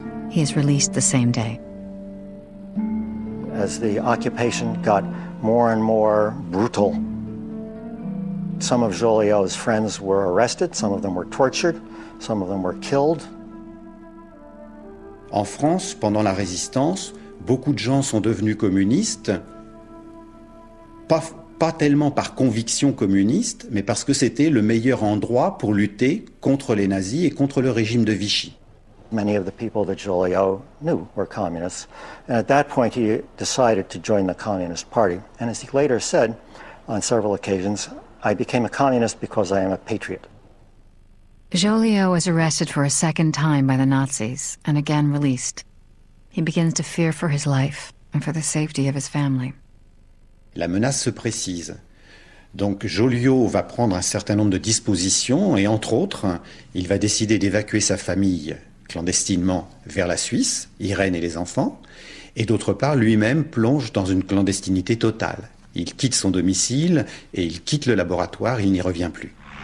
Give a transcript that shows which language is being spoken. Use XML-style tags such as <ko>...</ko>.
<en>He is released the same day. As the occupation got more and more brutal, some of Joliot's friends were arrested, some of them were tortured, some of them were killed.</en> <fr>En France, pendant la résistance, beaucoup de gens sont devenus communistes. Pas tellement par conviction communiste, mais parce que c'était le meilleur endroit pour lutter contre les nazis et contre le régime de Vichy.</fr> <en>Many of the people that Joliot knew were communists, and at that point he decided to join the Communist Party. And as he later said on several occasions, I became a communist because I am a patriot. Joliot was arrested for a second time by the Nazis and again released. He begins to fear for his life and for the safety of his family.</en> <fr>La menace se précise. Donc Joliot va prendre un certain nombre de dispositions et entre autres, il va décider d'évacuer sa famille clandestinement vers la Suisse, Irène et les enfants, et d'autre part, lui-même plonge dans une clandestinité totale. Il quitte son domicile et il quitte le laboratoire, il n'y revient plus.</fr>